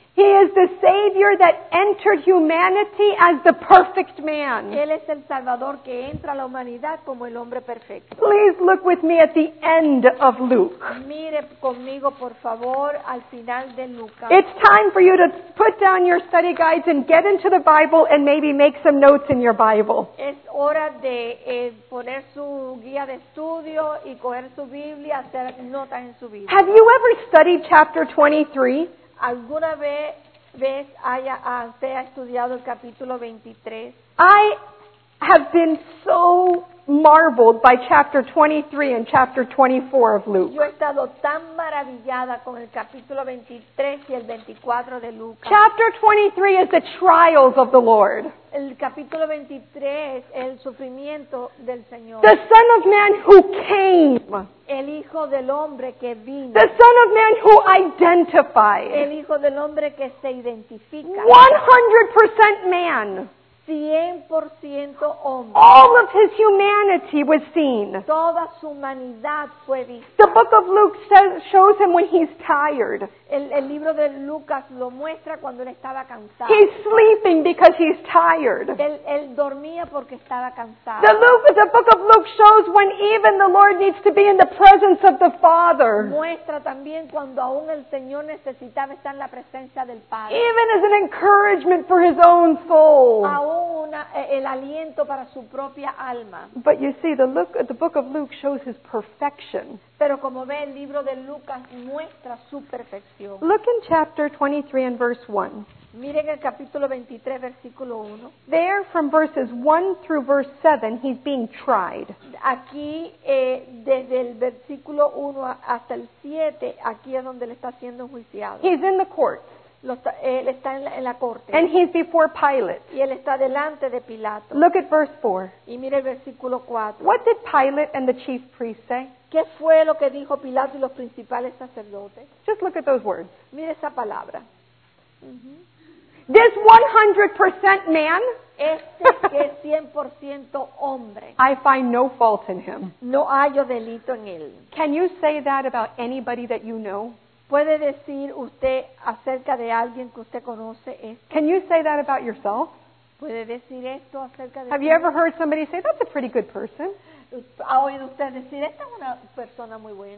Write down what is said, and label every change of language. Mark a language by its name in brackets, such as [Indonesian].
[English] He is the Savior that entered humanity as the perfect man. [Spanish] Él es el Salvador que entra a la humanidad como el hombre perfecto. [English] Please look with me at the end of Luke. [Spanish] Mire conmigo, por favor, al final de Lucas. [English] It's time for you to put down your study guides and get into the Bible and maybe make some notes in your Bible. [Spanish] Es hora de poner su guía de estudio y coger su Biblia, hacer notas en su Biblia. [English] Have you ever studied chapter 23? [Spanish] ¿Alguna vez usted ha estudiado el capítulo 23? [English] I have been so marveled by chapter 23 and chapter 24 of Luke. [Spanish] Yo he estado tan maravillada con el capítulo 23 y el 24 de Lucas. [English] Chapter 23 is the trials of the Lord. [Spanish] El capítulo 23 es el sufrimiento del Señor. [English] The Son of Man who came. [Spanish] El Hijo del Hombre que vino. [English] The Son of Man who identifies. [Spanish] El Hijo del Hombre que se identifica. [English] 100% man. [Spanish] 100% hombre. [English] All of his humanity was seen. [Spanish] Toda su humanidad fue vista. [English] The book of Luke shows him when he's tired. [Spanish] El libro de Lucas lo muestra cuando él estaba cansado. [English] He's sleeping because he's tired. [Spanish] Él dormía porque estaba cansado. [English] The book of Luke shows when even the Lord needs to be in the presence of the Father. [Spanish] Muestra también cuando aún el Señor necesitaba estar en la presencia del Padre. [English] Even as an encouragement for his own soul. [Spanish] Aún el aliento para su propia alma. [English] But you see, the book of Luke shows his perfection. [Spanish] Pero como ve, el libro de Lucas muestra su perfección. [English] Look in chapter 23 and verse 1. [Spanish] Miren el capítulo 23, versículo 1. [English] There, from verses 1 through verse 7, he's being tried. [Spanish] Aquí, desde el versículo 1 hasta el 7, aquí es donde le está siendo enjuiciado. [English] He's in the court. [Spanish] Él está en la corte. [English] And he's before Pilate. [Spanish] Y él está delante de Pilato. [English] Look at verse 4. [Spanish] Y mire el versículo 4. [English] What did Pilate and the chief priests say? [Spanish] ¿Qué fue lo que dijo Pilato y los principales sacerdotes? [English] Just look at those words. [Spanish] Mire esa palabra. [English] This 100% man. [Spanish] Este que es 100% hombre. [English] I find no fault in him. [Spanish] No hallo delito en él. [English] Can you say that about anybody that you know? [Spanish] ¿Puede decir usted acerca de alguien que usted conoce esto? [English] Can you say that about yourself? [Spanish] ¿Puede decir esto acerca de [English] Have you ever heard somebody say, that's a pretty good person? [Spanish] ¿Ha oído usted decir, esta es una persona muy buena?